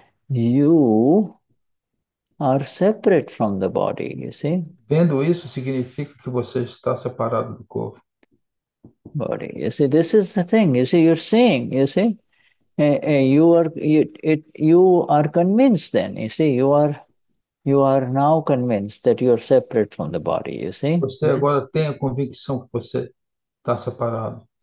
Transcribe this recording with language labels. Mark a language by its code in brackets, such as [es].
[en] You are separate from the body, you see? [pt] Vendo isso significa que você está separado do corpo. [en] Body, you see, this is the thing, you see, you're seeing, you see? You are convinced then, you see, you are now convinced that you are separate from the body, you see? [pt] Você agora tem a convicção que você está separado.